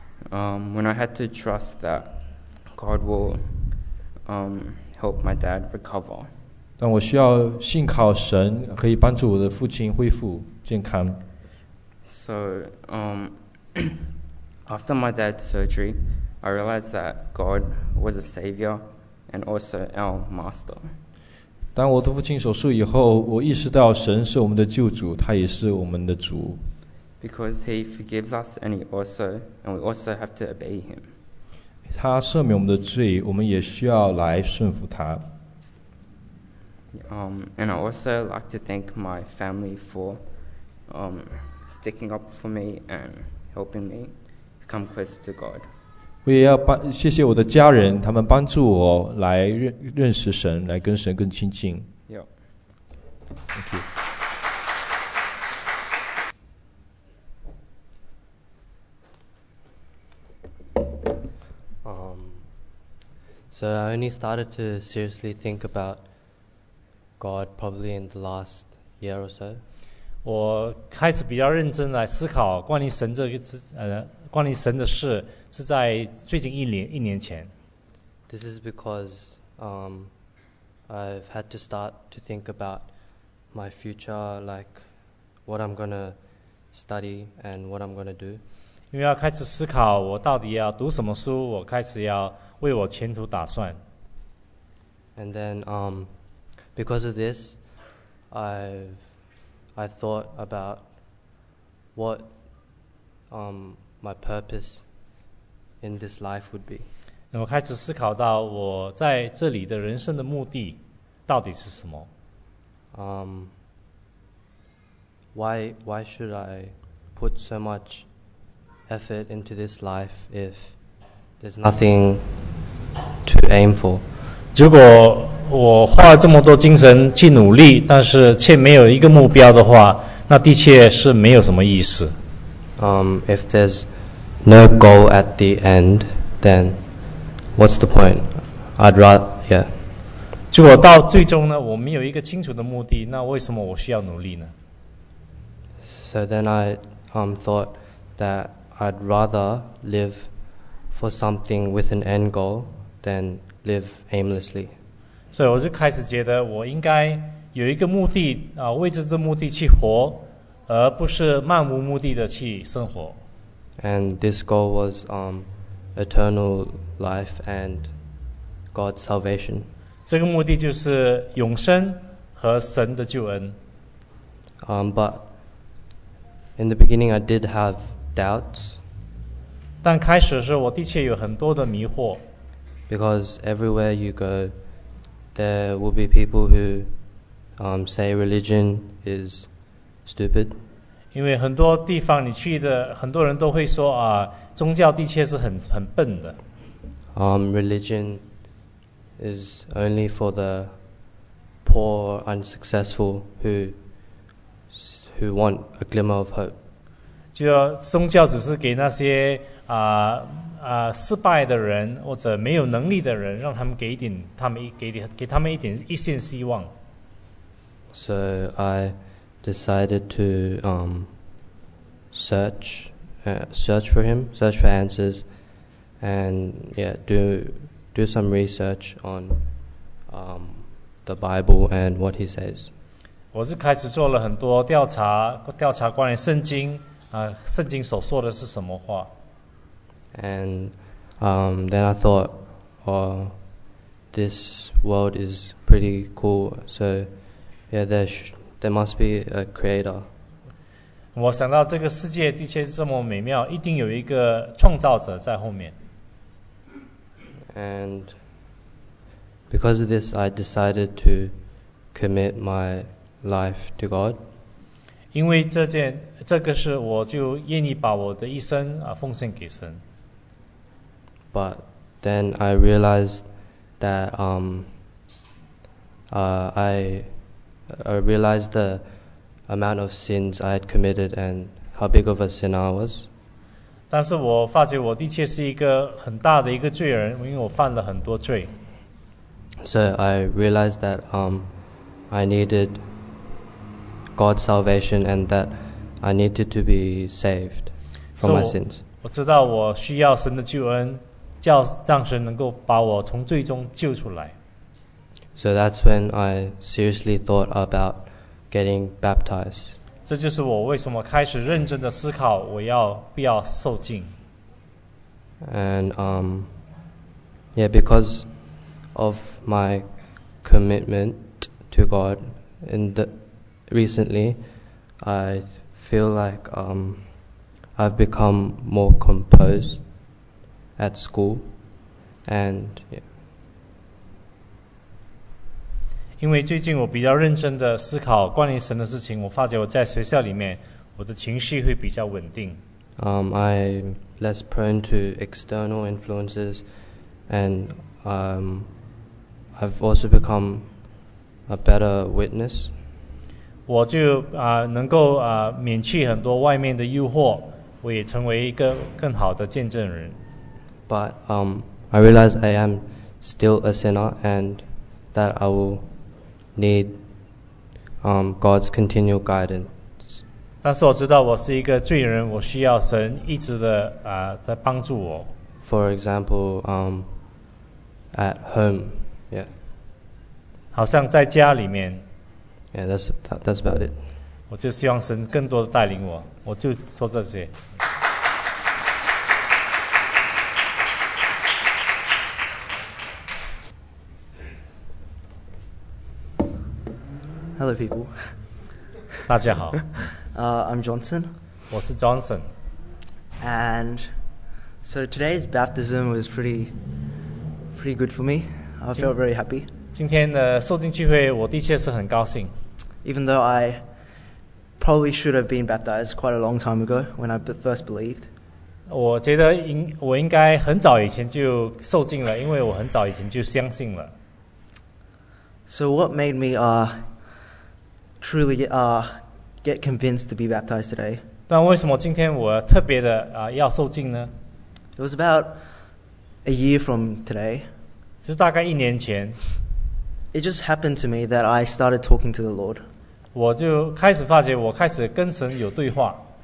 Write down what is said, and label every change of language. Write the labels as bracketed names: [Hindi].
[English] When I had to trust that God will help my dad recover. [Chinese] 但我需要信靠神可以帮助我的父亲恢复健康。 [English] So, after my dad's surgery, I realized that God was a savior and also our master. [Chinese] 当我的父亲手术以后，我意识到神是我们的救主，他也是我们的主。 [English] Because he forgives us and we also have to obey him. [Chinese] 他赦免我们的罪，我们也需要来顺服他。 [English] And I also like to thank my family for sticking up for me and helping me become closer to God. [Chinese] 我也要谢谢我的家人，他们帮助我来认识神，来跟神更亲近。 [English] Yep. Thank you. So I only started to seriously think about God probably in the last year or so. [Chinese] 我开始比较认真来思考关于神这个关于神的事是在最近一年前。 [English] This is because I've had to start to think about my future, like what I'm gonna study and what I'm gonna do. [Chinese] 因为要开始思考我到底要读什么书，我开始要为我前途打算。 [English] And then because of this, I thought about what my purpose in this life would be. [Chinese] 我开始思考到我在这里的人生的目的到底是什么。 [English] Why should I put so much effort into this life if there's nothing to aim for? [Chinese] 如果我花了这么多精神去努力，但是却没有一个目标的话，那的确是没有什么意思。 [English] If there's no goal at the end, then what's the point? [Chinese] 如果到最终呢，我没有一个清楚的目的，那为什么我需要努力呢？ [English] So then I thought that I'd rather live for something with an end goal than live aimlessly. [Chinese] 所以我就开始觉得我应该有一个目的啊，为着这目的去活，而不是漫无目的的去生活。 [English] And this goal was eternal life and God's salvation. [Chinese] 这个目的就是永生和神的救恩。 [English] But in the beginning, I did have doubts. [Chinese] 但开始时，我的确有很多的迷惑。 [English] Because everywhere you go, there will be people who say religion is stupid. [Chinese] 因为很多地方你去的，很多人都会说啊，宗教的确是很笨的。 [English] Religion is only for the poor, unsuccessful who want a glimmer of hope. [Chinese] 就宗教只是给那些失败的人或者没有能力的人，让他们给他们一点一线希望。 [English] So I decided to search for him, search for answers, and do some research on the Bible and what he says. [Chinese] 我就开始做了很多调查关于圣经圣经所说的是什么话。 [English] And then I thought, this world is pretty cool. So, yeah, there must be a creator. [Chinese] 我想到这个世界的确是这么美妙，一定有一个创造者在后面。 [English] And because of this, I decided to commit my life to God. [Chinese] 因为这个事，我就愿意把我的一生奉献给神。 [English] But then I realized that I realized the amount of sins I had committed and how big of a sinner I was. [Chinese] 但是我发觉我的确是一个很大的一个罪人，因为我犯了很多罪。 [English] So I realized that I needed God's salvation and that I needed to be saved from my sins. [Chinese] 我知道我需要神的救恩。叫让神能够把我从最终救出来。 [English] So that's when I seriously thought about getting baptized. [Chinese] 这就是我为什么开始认真的思考我要不要受浸。 [English] And because of my commitment to God in the recently, I feel like I've become more composed. At school, and Because [Chinese] 最近我比较认真的思考关于神的事情，我发觉我在学校里面，我的情绪会比较稳定。 [English] I'm less prone to external influences, and I've also become a better witness. [Chinese] 我就能够免去很多外面的诱惑，我也成为一个更好的见证人。 [English] But I realize I am still a sinner, and that I will need God's continual guidance. [Chinese] 但是我知道我是一个罪人，我需要神一直的在帮助我。 [English] For example, at home, yeah. [Chinese] 好像在家里面。 [English] Yeah, that's about it. [Chinese] 我就希望神更多的带领我，我就说这些。 [English] Hello, people. [Chinese] 大家好。 [English] I'm Johnson. [Chinese] 我是 Johnson. [English] And so today's baptism was pretty good for me. I felt very happy. [Chinese] 今天的受浸聚会，我的确是很高兴。 [English] Even though I probably should have been baptized quite a long time ago when I first believed. [Chinese] 我觉得我应该很早以前就受浸了，因为我很早以前就相信了。 [English] So what made me get convinced to be baptized today. [Chinese] 但为什么今天我特别的要受浸呢？ [English] It was about a year from today. [Chinese] 是大概一年前。 [English] It just happened to me that I started talking to the Lord. [Chinese] 我就开始发觉我开始跟神有对话。